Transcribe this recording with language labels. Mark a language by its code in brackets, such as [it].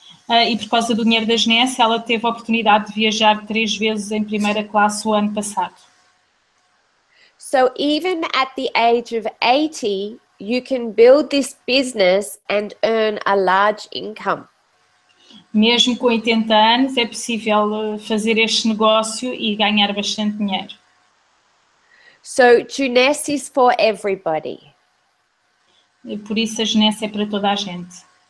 [pt] E por causa do dinheiro da Genesse, ela teve a oportunidade de viajar 3 vezes em primeira classe o ano passado. [en] So even at the age of 80, you can build this business and earn a large income. [pt] mesmo com 80 anos, é possível fazer este negócio e ganhar bastante dinheiro. [en] So, Juness is for everybody. [pt] E por isso a Juness é para toda a gente.